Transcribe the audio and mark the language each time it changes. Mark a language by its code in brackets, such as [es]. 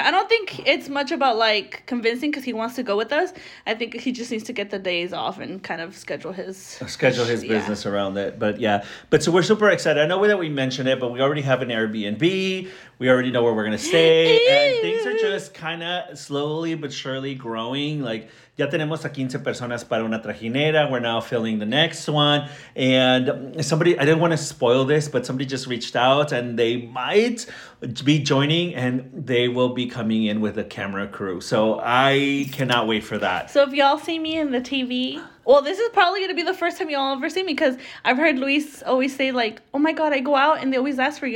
[en] I don't think it's much about like convincing, because he wants to go with us. I think he just needs to get the days off and kind of schedule his business around it. But yeah, but so we're super excited. I know that we mentioned it, but we already have an Airbnb. We already know where we're gonna stay, and things are just kind of slowly but surely growing. [es] Like, ya tenemos a 15 personas para una trajinera. [en] We're now filling the next one. And somebody, I didn't want to spoil this, but somebody just reached out and they might be joining, and they will be coming in with a camera crew. So I cannot wait for that. So if y'all see me in the TV, well, this is probably going to be the first time y'all ever see me, because I've heard Luis always say like, oh my God, I go out and they always ask for you.